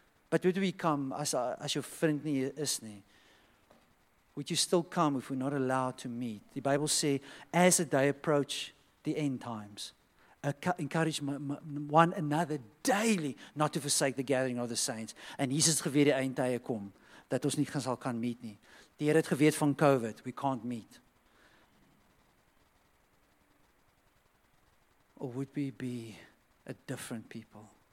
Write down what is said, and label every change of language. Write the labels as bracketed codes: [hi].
[en] But would we come, [af] as jou vriend nie is nie, [en] would you still come if we're not allowed to meet? [af] Die Bijbel sê, [en] as the day approach the end times, encourage one another daily, not to forsake the gathering of the saints. [af] En Jesus het geweet die eindtye kom, dat ons nie gaan sal kan meet nie. Die Heer het geweet van COVID, [en] we can't meet. Or would we be a different people?